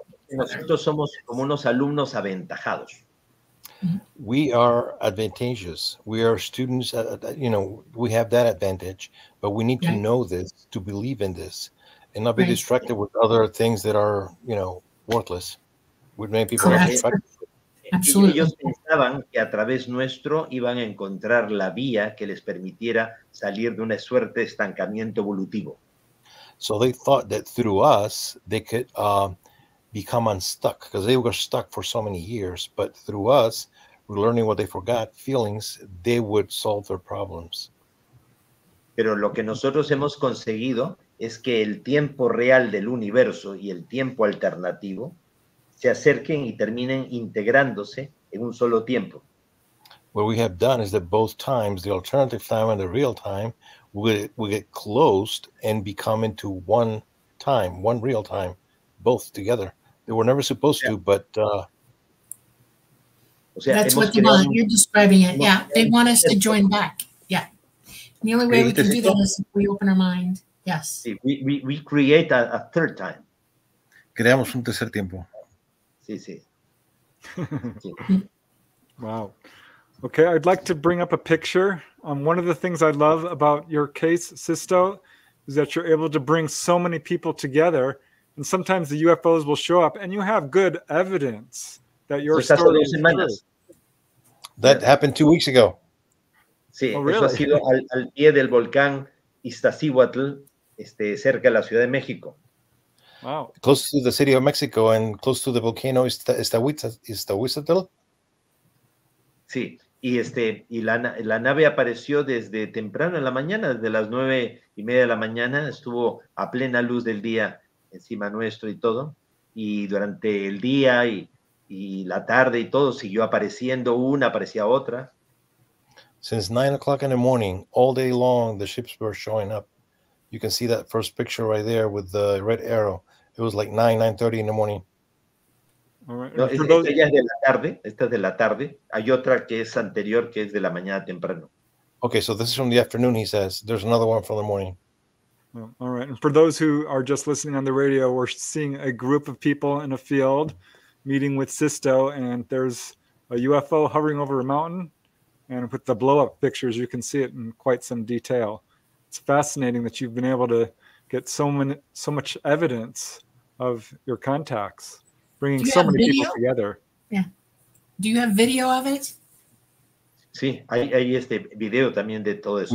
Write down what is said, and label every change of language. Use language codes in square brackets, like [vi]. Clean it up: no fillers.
[es] Nosotros somos como unos alumnos aventajados. [en] We are advantageous. We are students, we have that advantage, but we need to know this, to believe in this, and not be distracted with other things that are, you know, worthless. Would make people happy. Absolutely. [es] Ellos pensaban que a través nuestro iban a encontrar la vía que les permitiera salir de una suerte de estancamiento evolutivo. [en] So they thought that through us they could become unstuck, because they were stuck for so many years. But through us, relearning what they forgot, feelings, they would solve their problems. [es] Pero lo que nosotros hemos conseguido es que el tiempo real del universo y el tiempo alternativo se acerquen y terminen integrándose en un solo tiempo. [en] What we have done is that both times, the alternative time and the real time, we get closed and become into one time, one real time, both together. They were never supposed to, but... That's what they want. You're describing it. Yeah, they want us to join back. Yeah. The only way we can do that is if we open our mind. Yes. We create a third time. [es] Creamos un tercer tiempo. Sí, sí. [en] Wow. Okay, I'd like to bring up a picture. One of the things I love about your case, Sisto, is that you're able to bring so many people together, and sometimes the UFOs will show up, and you have good evidence that your story is true. That happened 2 weeks ago. [es] Sí, [en] oh, really? [es] Eso ha sido al pie del volcán Iztaccíhuatl, cerca de la Ciudad de México. [en] Wow. Close to the city of Mexico and close to the volcano Iztaccíhuatl. [es] Sí, y la nave apareció desde temprano en la mañana, desde las 9:30 de la mañana, estuvo a plena luz del día encima nuestro y todo, y durante el día y la tarde y todo siguió apareciendo una, aparecía otra. [en] Since 9:00 in the morning, all day long, the ships were showing up. You can see that first picture right there with the red arrow. It was like 9:30 in the morning. All right. [es] Esta ya es de la tarde. Esta es de la tarde. Hay otra que es anterior, que es de la mañana temprano. [en] Okay, so this is from the afternoon, he says. There's another one from the morning. All right. And for those who are just listening on the radio, we're seeing a group of people in a field meeting with Sisto, and there's a UFO hovering over a mountain. And with the blow-up pictures, you can see it in quite some detail. It's fascinating that you've been able to get so much evidence of your contacts, bringing so many people together. Yeah. Do you have video of it? [es] Sí, hay este video también de todo eso.